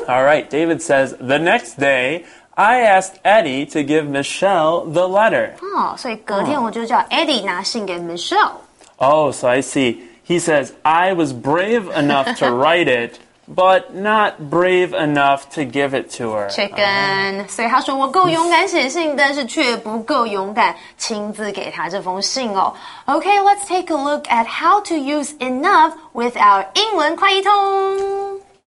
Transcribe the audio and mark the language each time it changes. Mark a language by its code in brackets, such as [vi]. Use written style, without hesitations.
[en] All right, David says, the next day, I asked Eddie to give Michelle the letter. Oh, so [zh] 隔天我就叫 Eddie 拿信给 Michelle. [en] Oh, so I see. He says, I was brave enough to write it, but not brave enough to give it to her. Chicken. Oh. [zh] 所以他说我够勇敢写信，但是却不够勇敢亲自给他这封信哦。 [en] Okay, let's take a look at how to use enough with our 英文快译通。